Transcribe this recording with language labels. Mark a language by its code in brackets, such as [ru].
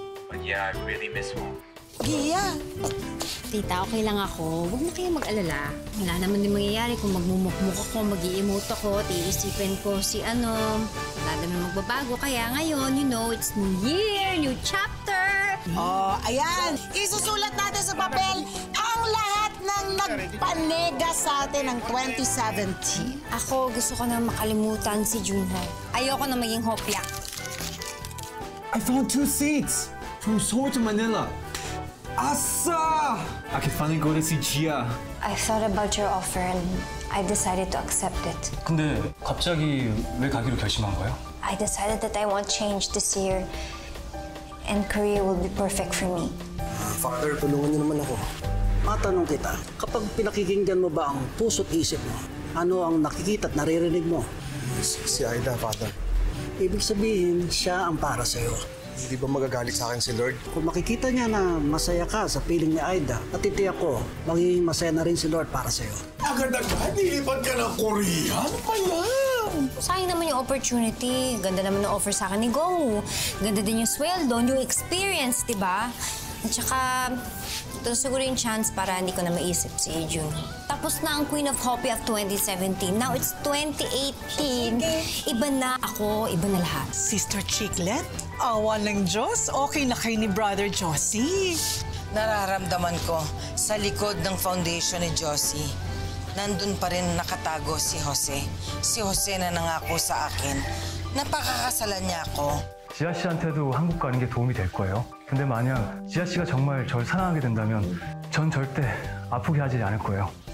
[en] But yeah, I really miss home. [tl] Gia! Tita, okay lang ako. Huwag mo kayo mag-alala. Wala naman din mangyayari kung magmumukmuk ako, mag-i-emote ako, tiisipin ko si ano. Wala naman magbabago. Kaya ngayon, [en] you know, it's new year, new chapter. [tl] Oh, ayan! Isusulat natin sa papel ang lahat ng nagpanega sa atin ng 2017. Ako, gusto ko na makalimutan si Jun Ho. Ayoko na maging hopya. [en] I found 2 seats from Seoul to Manila. Asa! I can finally go to see Jia. I thought about your offer and I decided to accept it. [ko] 근데 갑자기 왜 가기로 결심한 거예요? [en] I decided that I want change this year and Korea will be perfect for me. [tl] Father, tulungan niyo naman ako. Matanong kita, kapag pinakikinggan mo ba ang puso't isip mo, ano ang nakikita at naririnig mo? Si Aida, Father. Ibig sabihin, siya ang para sa'yo. Hindi ba magagalit sa akin si Lord? Kung makikita niya na masaya ka sa piling ni Aida, natitiyak ko, magiging masaya na rin si Lord para sa'yo. Agad-agad, nilipad ka ng Korea? Ano pa yan? Sayang naman yung opportunity. Ganda naman ang offer sa akin ni Gong. Ganda din yung sweldo, yung experience, di ba? At saka, ito siguro yung chance para hindi ko na maisip si Jun. Tapos na ang [en] Queen of Hopi of 2017. Now it's 2018. Okay. [tl] Iba na ako, iba na lahat. Sister Chiclet? Awa ng Diyos, okay na kayo ni Brother Josie. Nararamdaman ko, sa likod ng foundation ni Josie, nandun pa rin nakatago si Jose. Si Jose na nangako sa akin. Napakakasalan niya ako. [ko] Jia 씨한테도 한국 가는 게 도움이 될 거예요. 근데 만약 지아 씨가 정말 저를 사랑하게 된다면 전 절대 아프게 하지 않을 거예요.